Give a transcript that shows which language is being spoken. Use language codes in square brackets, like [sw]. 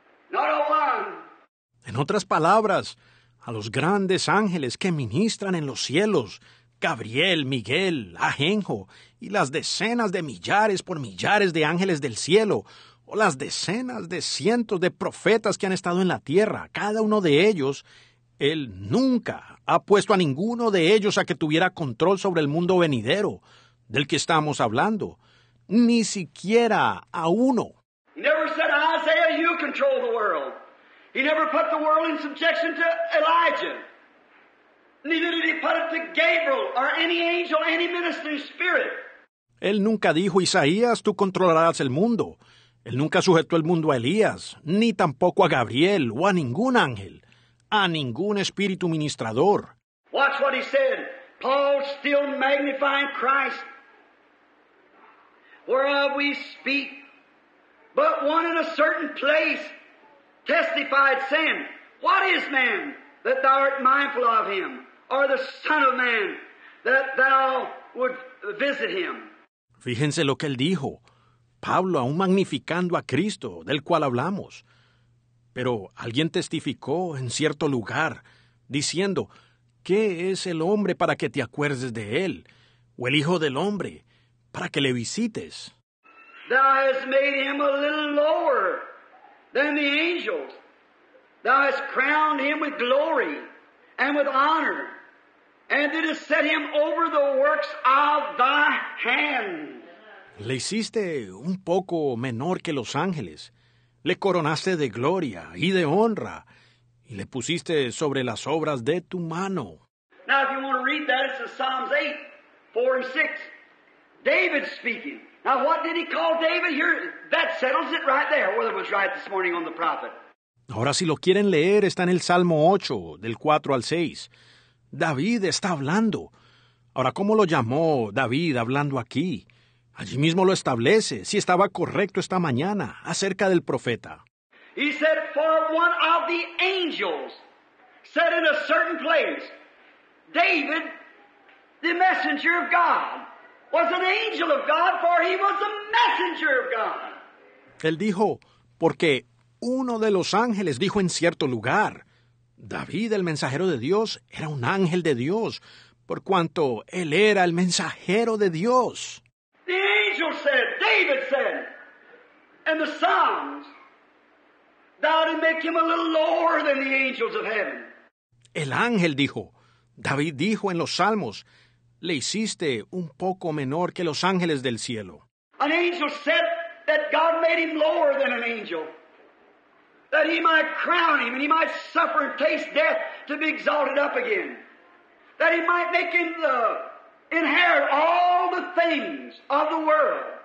[en] Not a one. [es] En otras palabras, a los grandes ángeles que ministran en los cielos, Gabriel, Miguel, Ajenjo, y las decenas de millares por millares de ángeles del cielo, o las decenas de cientos de profetas que han estado en la tierra, cada uno de ellos, Él nunca ha puesto a ninguno de ellos a que tuviera control sobre el mundo venidero del que estamos hablando. Ni siquiera a uno. [en] He never said, Isaiah, you control the world. He never put the world in subjection to Elijah. Neither did he put it to Gabriel or any angel, any ministering spirit. [es] Él nunca dijo, Isaías, tú controlarás el mundo. Él nunca sujetó el mundo a Elías, ni tampoco a Gabriel o a ningún ángel, a ningún espíritu ministrador. [en] Watch what he said. Paul still magnifying Christ. Whereof we speak. But one in a certain place testified saying, what is man that thou art mindful of him? Or the son of man that thou would visit him? [es] Fíjense lo que él dijo. Pablo aún magnificando a Cristo, del cual hablamos. Pero alguien testificó en cierto lugar, diciendo, ¿qué es el hombre para que te acuerdes de él? ¿O el hijo del hombre para que le visites? [en] Thou hast made him a little lower than the angels. Thou hast crowned him with glory and with honor. And didst set him over the works of thy hand. [es] Le hiciste un poco menor que los ángeles. Le coronaste de gloria y de honra, y le pusiste sobre las obras de tu mano. [en] Now, if you want to read that as the Psalms 8, 4 and 6. David's speaking. Now what did he call David here? That settles it right there, whether it was right this morning on the prophet. [es] Ahora, si lo quieren leer, está en el Salmo 8, del 4 al 6. David está hablando. Ahora, ¿cómo lo llamó David hablando aquí? Allí mismo lo establece, si estaba correcto esta mañana, acerca del profeta. [en] He said, for one of the angels said in a certain place, David, the messenger of God, was an angel of God, for he was a messenger of God. [es] Él dijo, porque uno de los ángeles dijo en cierto lugar, David, el mensajero de Dios, era un ángel de Dios, por cuanto él era el mensajero de Dios. [en] The angel said, David said, and the Psalms, thou didst make him a little lower than the angels of heaven. [es] El ángel dijo, David dijo en los Salmos, le hiciste un poco menor que los ángeles del cielo. [en] An angel said that God made him lower than an angel, that he might crown him and he might suffer and taste death to be exalted up again, that he might make him inherit all the things of the world.